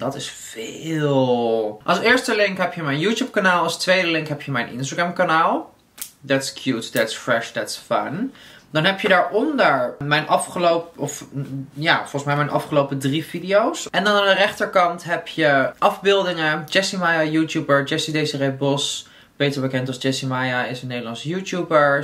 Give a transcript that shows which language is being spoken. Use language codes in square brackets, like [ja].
[nl] Dat is veel. Als eerste link heb je mijn YouTube-kanaal. Als tweede link heb je mijn Instagram-kanaal. [en] That's cute, that's fresh, that's fun. [nl] Dan heb je daaronder mijn afgelopen, of ja, volgens mij mijn afgelopen 3 video's. En dan aan de rechterkant heb je afbeeldingen. Jessie Maya, YouTuber. Jessie Desiree Bos, beter bekend als Jessie Maya, is een Nederlandse YouTuber.